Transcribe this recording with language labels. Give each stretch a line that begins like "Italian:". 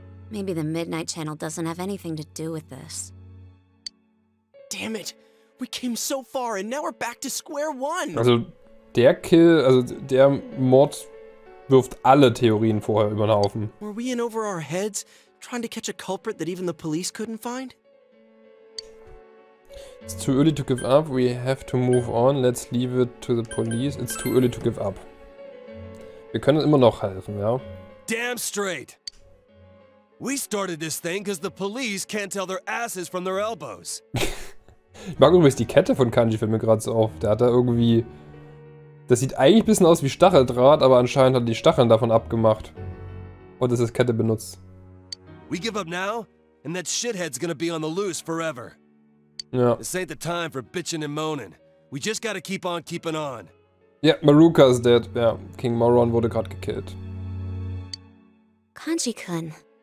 English: Maybe the Midnight Channel doesn't have anything to do with this. Damn it! We came so far and now we're back to square one!
German: Also, der Kill, also der Mord wirft alle Theorien vorher über den Haufen.
English: Were we in over our heads, trying to catch a culprit that even the police couldn't find? It's too early to give up, we have to move on, let's leave it to the police, it's too early to give up.
German: Wir können immer noch helfen, ja?
English: Damn straight! We started this thing because the police can't tell their asses from their elbows.
German: Ich mag übrigens die Kette von Kanji, fällt mir gerade so auf. Der hat da irgendwie... Das sieht eigentlich ein bisschen aus wie Stacheldraht, aber anscheinend hat er die Stacheln davon abgemacht. Und es ist Kette benutzt.
English: We give up now, and that shithead's gonna be on the loose forever.
German: Ja.
English: This ain't the time for bitching and moaning. We just gotta keep on keeping on.
German: Ja,
English: Maruka is dead.
German: Ja, King Moron wurde gerade gekillt. Kanji-kun.